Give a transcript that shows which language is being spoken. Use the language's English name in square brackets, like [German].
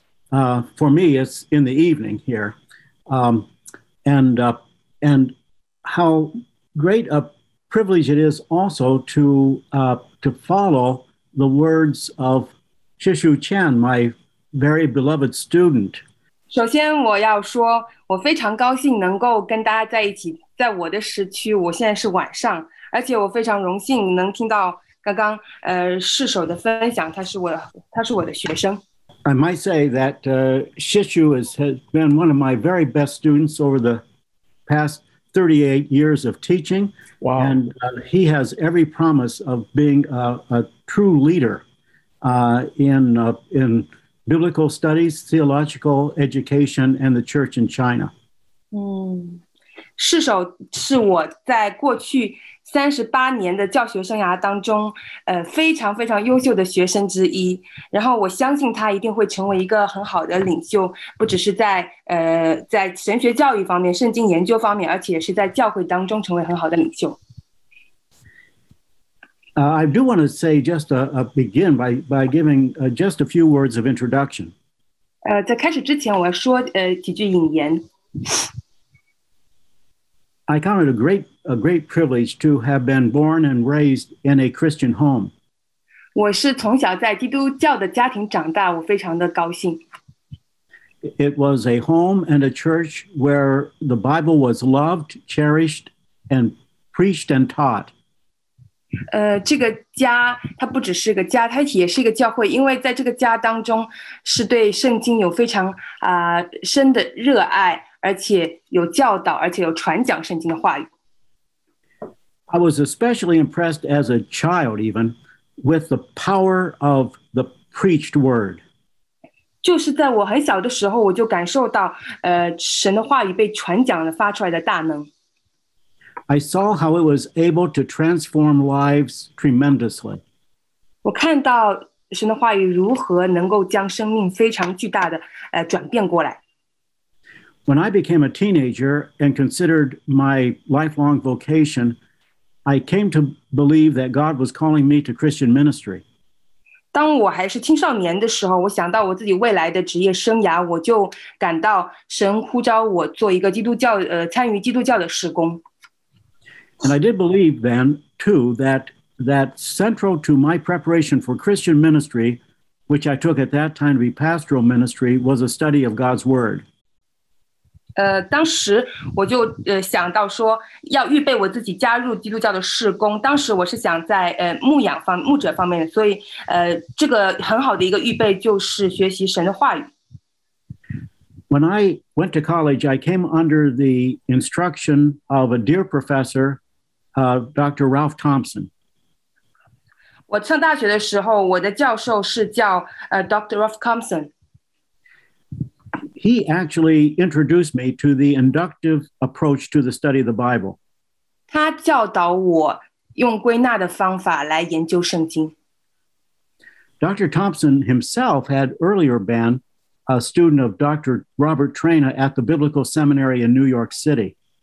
[English] For me, it's in the evening here. And how great a privilege it is also to follow the words of Shishu Chen, my very beloved student. [Chinese] 首先我要说，我非常高兴能够跟大家在一起，在我的时区，我现在是晚上，而且我非常荣幸能听到刚刚世守的分享，他是我的学生。 [English] I might say that Shishu has been one of my very best students over the past 38 years of teaching. Wow. And he has every promise of being a true leader in biblical studies, theological education, and the church in China. [Chinese] 世守是我在过去38年的教学生涯当中非常非常优秀的学生之一，然后我相信他一定会成为一个很好的领袖，不只是在神学教育方面、圣经研究方面，而且是在教会当中成为很好的领袖。 [English] I do want to say just a begin by giving just a few words of introduction. [Chinese] 在开始之前我要说几句引言。 [English] I count it a great privilege to have been born and raised in a Christian home. [Chinese] 我是从小在基督教的家庭长大，我非常的高兴。 [English] It was a home and a church where the Bible was loved, cherished, and preached and taught. [Chinese] 这个家它不只是个家，它也是一个教会，因为在这个家当中是对圣经有非常深的热爱，而且有教导，而且有传讲圣经的话语。 [English] I was especially impressed as a child even with the power of the preached word. [Chinese] 就是在我很小的时候，我就感受到神的话语被传讲了发出来的大能。 [English] I saw how it was able to transform lives tremendously. [Chinese] 我看到神的话语如何能够将生命非常巨大的转变过来。 [English] When I became a teenager and considered my lifelong vocation, I came to believe that God was calling me to Christian ministry. [Chinese] 当我还是青少年的时候，我想到我自己未来的职业生涯，我就感到神呼召我做一个基督教参与基督教的事工。 [English] And I did believe then, too, that central to my preparation for Christian ministry, which I took at that time to be pastoral ministry, was a study of God's Word. [Chinese] 当时我就想到说要预备我自己加入基督教的事工，当时我是想在牧者方面，所以这个很好的一个预备就是学习神的话语。 [English] When I went to college, I came under the instruction of a dear professor, Dr. Ralph Thompson. [Chinese] 我上大学的时候，我的教授是叫Dr. Ralph Thompson. [English] He actually introduced me to the inductive approach to the study of the Bible. [Chinese] 他教导我用归纳的方法来研究圣经。 [English] Dr. Thompson himself had earlier been a student of Dr. Robert Trainer at the Biblical Seminary in New York City.